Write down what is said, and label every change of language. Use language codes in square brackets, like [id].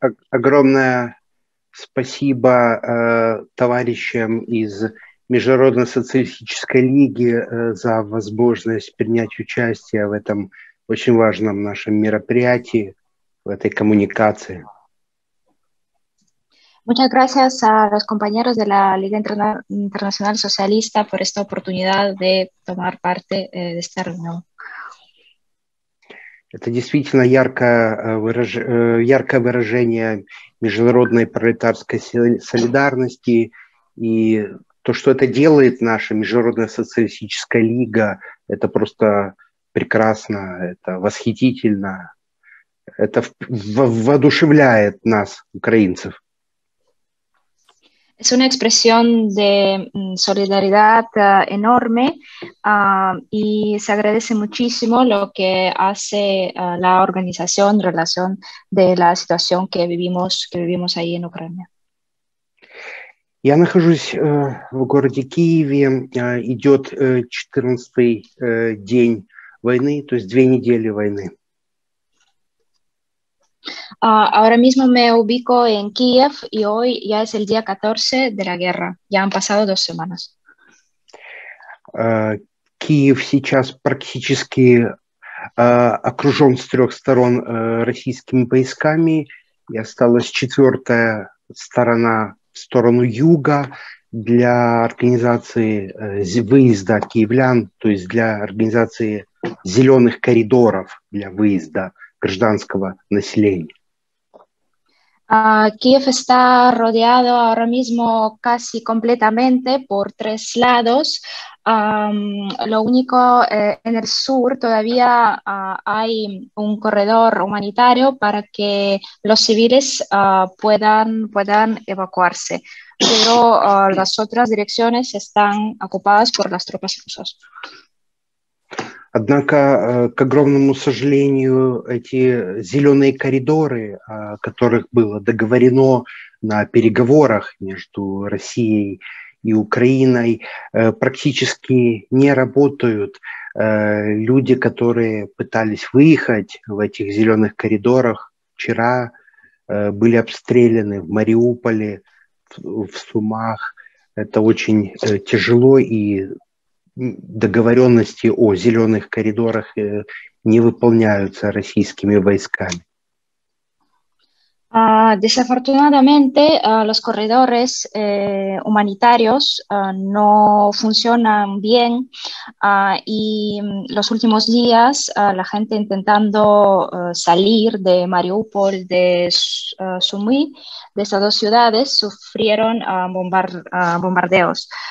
[ru] Огромное спасибо товарищам из Международной социалистической лиги за возможность принять участие в этом очень важном нашем мероприятии, в этой коммуникации. [es] Muchas gracias a los compañeros de la Liga Internacional Socialista por esta oportunidad de tomar parte de esta reunión. [ru] Это действительно яркое выражение международной пролетарской солидарности, и то, что это делает наша Международная социалистическая лига, это просто прекрасно, это восхитительно, это воодушевляет нас, украинцев. [es] Es una expresión de solidaridad enorme y se agradece muchísimo lo que hace la organización en relación de la situación que vivimos ahí en Ucrania. [ru] Я нахожусь в городе Киеве, идет 14-й день войны, то есть 2 недели войны. [es] Ahora mismo me ubico en Kiev y hoy ya es el día 14 de la guerra. Ya han pasado 2 semanas. [ru] Киев сейчас практически окружен с 3 сторон российскими войсками. И осталась 4-я сторона в сторону юга для организации выезда киевлян, то есть для организации зеленых коридоров для выезда гражданского населения. [es] Киев está rodeado ahora mismo casi completamente por 3 lados. Lo único, en el sur todavía hay un corredor humanitario para que los civiles puedan evacuarse. Pero las otras direcciones están ocupadas por las tropas rusas. [ru] Однако, к огромному сожалению, эти зеленые коридоры, о которых было договорено на переговорах между Россией и Украиной, практически не работают. Люди, которые пытались выехать в этих зеленых коридорах, вчера были обстреляны в Мариуполе, в Сумах. Это очень тяжело, и договоренности о зеленых коридорах не выполняются российскими войсками. [es] Desafortunadamente, los corredores humanitarios no funcionan bien y los últimos días la gente intentando salir de Mariupol, de Sumy, de esas 2 ciudades, sufrieron bombardeos.